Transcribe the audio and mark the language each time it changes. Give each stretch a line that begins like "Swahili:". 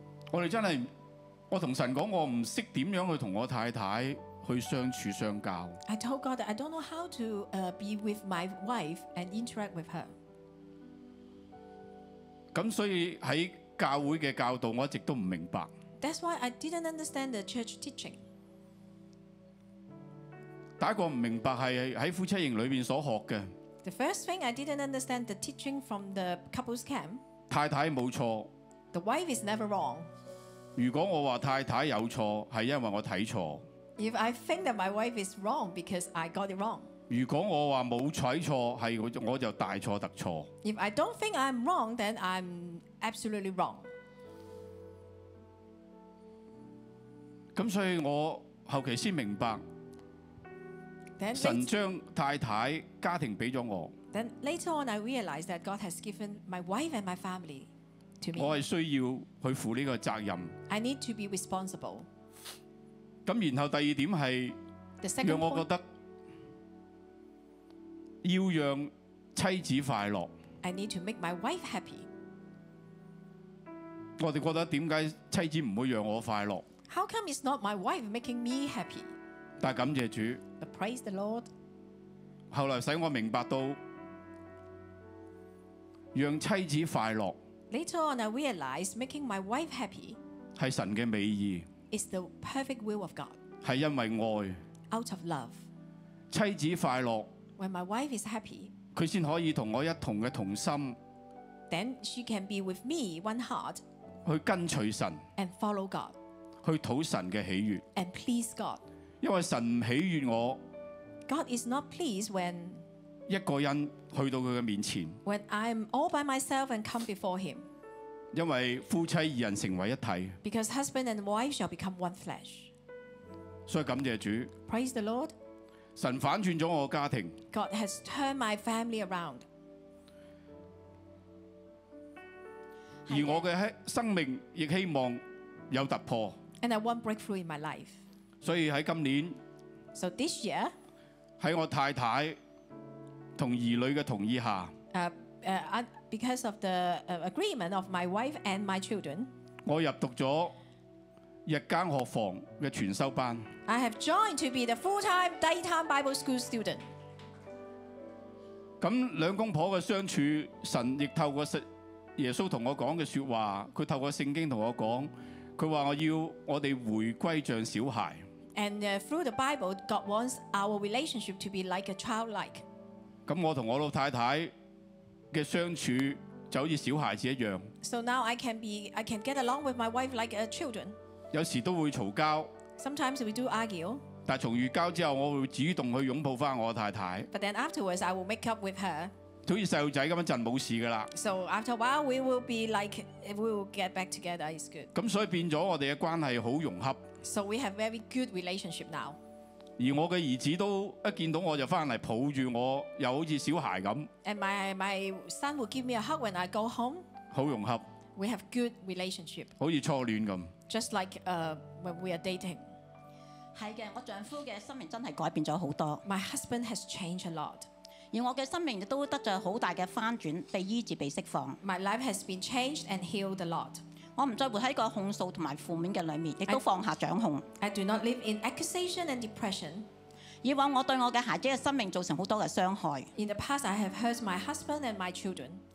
Cantonese: 我哋真係，我同神講，我唔識點樣去同我太太去相處相交。
English: I told God that I don't know how to be with my wife and interact with her。
Cantonese: 咁所以喺教會嘅教導，我一直都唔明白。
English: That's why I didn't understand the church teaching。
Cantonese: 第一個唔明白係喺夫妻營裏邊所學嘅。
English: The first thing I didn't understand the teaching from the couples camp。
Cantonese: 太太冇錯。
English: The wife is never wrong。
Cantonese: 如果我話太太有錯，係因為我睇錯。
English: If I think that my wife is wrong because I got it wrong。
Cantonese: 如果我話冇睇錯，係我就大錯特錯。
English: If I don't think I'm wrong, then I'm absolutely wrong。
Cantonese: 咁所以我後期先明白。
English: Then,
Cantonese: 神將太太家庭俾咗我。
English: Then later on, I realized that God has given my wife and my family to me。
Cantonese: 我係需要去負呢個責任。
English: I need to be responsible。
Cantonese: 咁然後第二點係，讓我覺得要讓妻子快樂。
English: I need to make my wife happy。
Cantonese: 我哋覺得點解妻子唔會讓我快樂
English: ？How come it's not my wife making me happy？
Cantonese: 但係感謝主。
English: But praise the Lord。
Cantonese: 後來使我明白到，讓妻子快樂。
English: Later on, I realized making my wife happy
Cantonese: 係神嘅美意。
English: Is the perfect will of God。
Cantonese: 係因為愛。
English: Out of love。
Cantonese: 妻子快樂。
English: When my wife is happy，
Cantonese: 佢先可以同我一同嘅同心。
English: Then she can be with me one heart。
Cantonese: 去跟隨神。
English: And follow God。
Cantonese: 去討神嘅喜悅。
English: And please God。
Cantonese: 因為神不喜悅我，
English: God is not pleased when
Cantonese: 一個人去到他的面前，
English: when I'm all by myself and come before him。
Cantonese: 因為夫妻二人成為一體，
English: because husband and wife shall become one flesh。
Cantonese: 所以感謝主，
English: praise the Lord。
Cantonese: 神反轉了我的家庭，
English: God has turned my family around。
Cantonese: 而我的生命亦希望有突破，
English: and I want breakthrough in my life。
Cantonese: 所以在今年，
English: so this year，
Cantonese: 在我太太和兒女的同意下，
English: because of the agreement of my wife and my children，
Cantonese: 我入讀了日間學房的全修班，
English: I have joined to be the full-time daytime Bible school student。
Cantonese: 那兩公婆的相處，神亦透過耶穌跟我說的說話，他透過聖經跟我說，他說我要我們回歸像小孩。
English: And through the Bible, God wants our relationship to be like a childlike。
Cantonese: 咁我同我老太太嘅相處就好似小孩子一樣。
English: So now I can get along with my wife like a children。
Cantonese: 有時都會嘈交。
English: Sometimes we do argue。
Cantonese: 但從越交之後，我會主動去擁抱翻我太太。
English: But then afterwards, I will make up with her。
Cantonese: 好似細路仔咁，一陣冇事噶啦。
English: So after a while, we will be like we will get back together. It's good。
Cantonese: 咁所以變咗我哋嘅關係好融洽。
English: So we have very good relationship now。
Cantonese: 而我嘅兒子都一見到我就翻嚟抱住我，又好似小孩咁。
English: And my son will give me a hug when I go home。
Cantonese: 好融合。
English: We have good relationship。
Cantonese: 好似初戀咁。
English: Just like when we are dating。
Cantonese: 係嘅，我丈夫嘅生命真係改變咗好多。
English: My husband has changed a lot。
Cantonese: 而我嘅生命亦都得著好大嘅翻轉，被醫治，被釋放。
English: My life has been changed and healed a lot。
Cantonese: 我唔再活喺個控訴同埋負面嘅裏面，亦都放下掌控。
English: I do not live in accusation and depression。
Cantonese: 以往我對我嘅孩子嘅生命造成好多嘅傷害。
English: In the past, I have hurt my husband and my children。